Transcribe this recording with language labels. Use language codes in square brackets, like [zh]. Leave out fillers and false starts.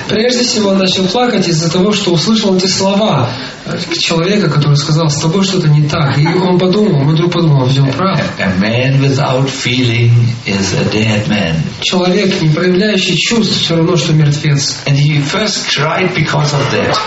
[ru] Прежде всего, он начал плакать из-за того, что услышал эти слова человека, который сказал, с тобой что-то не так. И он подумал, мой друг подумал, все прав. [en] A man without feeling is a dead man. [ru] Человек, не проявляющий чувств, все равно, что мертвец. [en] And he first cried because of that.